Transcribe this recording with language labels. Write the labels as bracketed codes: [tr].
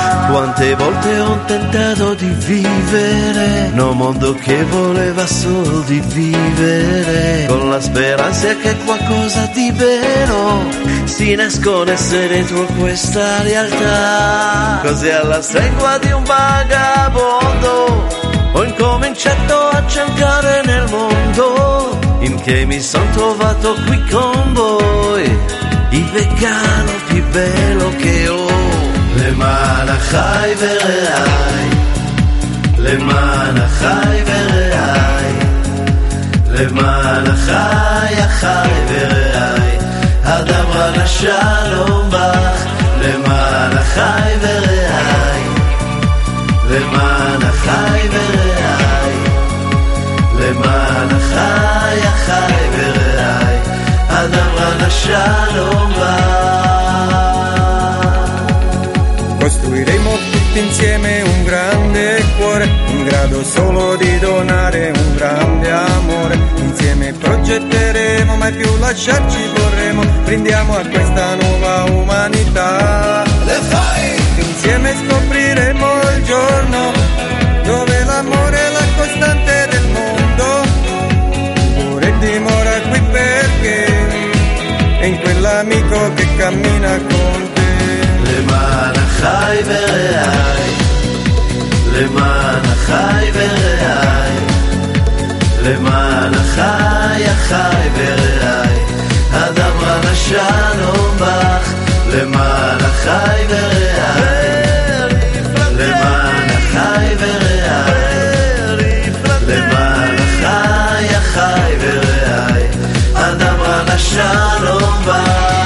[it] Quante volte ho tentato di vivere, no mondo che voleva solo di vivere, con la speranza che qualcosa di vero si nascondesse dentro questa realtà. Così alla stregua di un vagabondo ho incominciato a cercare nel mondo, in che mi son trovato qui con voi, il vegano più bello che ho. [he] למען אחי ורעי, למען אחי ורעי, למען אחי אחי ורעי, אדברה נא שלום בך. למען אחי ורעי, למען אחי ורעי, למען אחי אחי ורעי, אדברה נא שלום בך. [it] Costruiremo tutti insieme un grande cuore, in grado solo di donare un grande amore. Insieme progetteremo, mai più lasciarci vorremo. Brindiamo a questa nuova umanità. Le fai! Insieme scopriremo il giorno dove l'amore è la costante del mondo. Pure dimora qui perché è in quell'amico che cammina con te. [he] למען אחי ורעי, למען אחי אחי ורעי, אדברה נא שלום בך. למען אחי ורעי, למען אחי ורעי, למען אחי אחי ורעי, אדברה נא שלום בך.